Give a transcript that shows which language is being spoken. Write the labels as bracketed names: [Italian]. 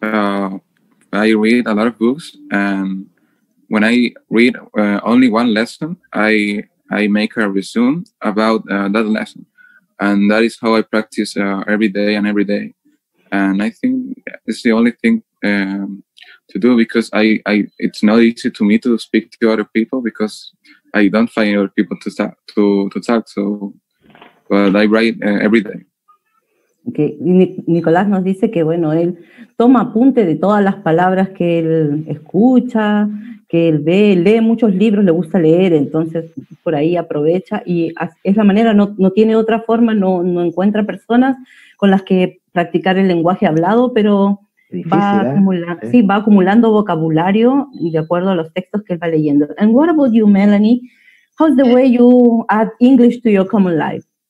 [English] I read a lot of books, and when I read only one lesson, I make a resume about that lesson, and that is how I practice every day. And I think it's the only thing to do, because I it's not easy to me to speak to other people, because I don't find other people to talk. So, but I write every day. Okay. [Spanish] Nicolás nos dice que bueno, él toma apunte de todas las palabras que él escucha, que él ve, lee muchos libros, le gusta leer, entonces por ahí aprovecha y es la manera, no tiene otra forma, no encuentra personas con las que practicar el lenguaje hablado, pero va acumulando vocabulario de acuerdo a los textos que él va leyendo. [English] And what about you, Melanie? How's the way you add English to your common life?